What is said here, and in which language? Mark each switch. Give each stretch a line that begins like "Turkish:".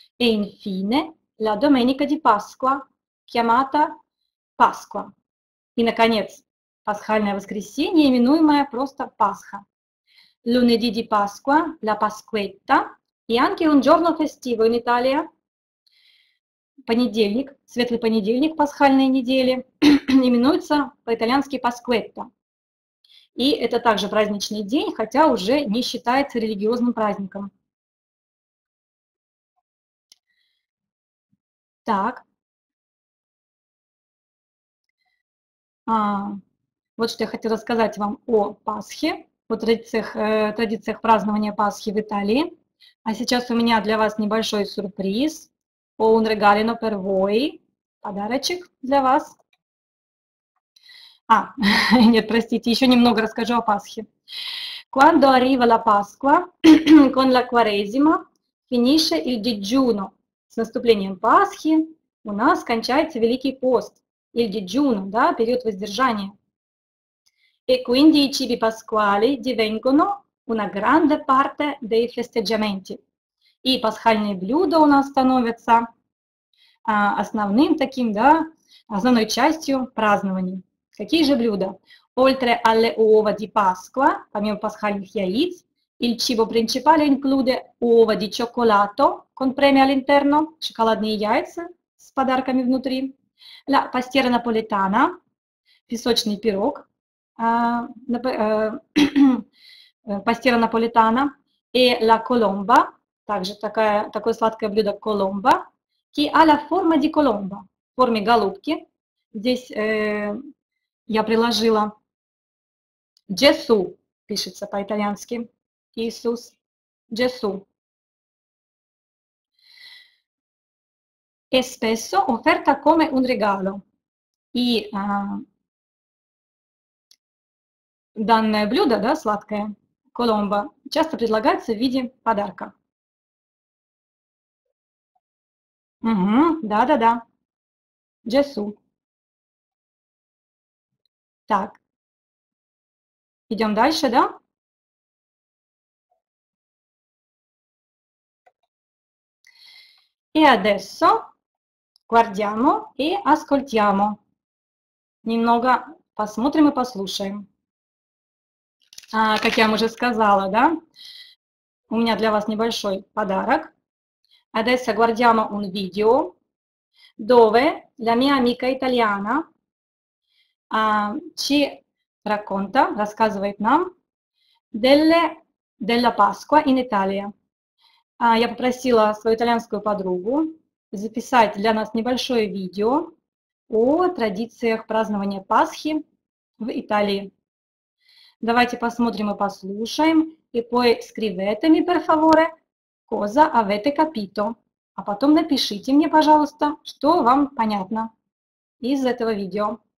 Italian: E infine, la Domenica di Pasqua, chiamata Pasqua.
Russian: И, наконец, пасхальное воскресенье, именуемое просто Пасха.
Italian: Lunedì di Pasqua, la Pasquetta. И anche un giorno festivo in Italia.
Russian: Понедельник, светлый понедельник пасхальной недели, именуется по-итальянски Pasquetta. И это также праздничный день, хотя уже не считается религиозным праздником. Так, вот что я хотела сказать вам о Пасхе, о традициях празднования Пасхи в Италии. А сейчас у меня для вас небольшой сюрприз.
Italian: Un regalino per voi,
Russian: подарочек для вас. А, нет, простите, еще немного расскажу о Пасхе.
Italian: Quando arriva la Pasqua, con la Quaresima, finisce il digiuno.
Russian: С наступлением Пасхи у нас кончается Великий Пост,
Italian: il digiuno,
Russian: да, период воздержания.
Italian: E quindi i cibi pasquali divengono una grande parte dei festeggiamenti.
Russian: И пасхальные блюда у нас становятся основным таким, да, основной частью празднований. Какие же блюда?
Italian: Oltre alle uova di Pasqua,
Russian: помимо пасхальных яиц,
Italian: il cibo principale include uova di cioccolato, con premi all'interno,
Russian: шоколадные яйца с подарками внутри,
Italian: la pastiera napoletana,
Russian: песочный пирог,
Italian: pastiera napoletana, e la colomba,
Russian: также такое сладкое блюдо колумба,
Italian: che ha la forma di colomba,
Russian: в форме голубки. Здесь я приложила Gesù, пишется по-итальянски, Иисус.
Italian: Gesù. È spesso offerta come un regalo.
Russian: И данное блюдо, да, сладкое, коломба, часто предлагается в виде подарка. Угу, да-да-да. Джесу. Так. Идем дальше, да?
Italian: И adesso guardiamo и ascoltiamo.
Russian: Немного посмотрим и послушаем. А, как я вам уже сказала, да, у меня для вас небольшой подарок.
Italian: Adesso guardiamo un video dove la mia amica italiana ci racconta,
Russian: рассказывает нам,
Italian: della Pasqua in Italia.
Russian: Я попросила свою итальянскую подругу записать для нас небольшое видео о традициях празднования Пасхи в Италии. Давайте посмотрим и послушаем.
Italian: И poi scrivetemi, per favore, cosa avete capito.
Russian: А потом напишите мне, пожалуйста, что вам понятно из этого видео.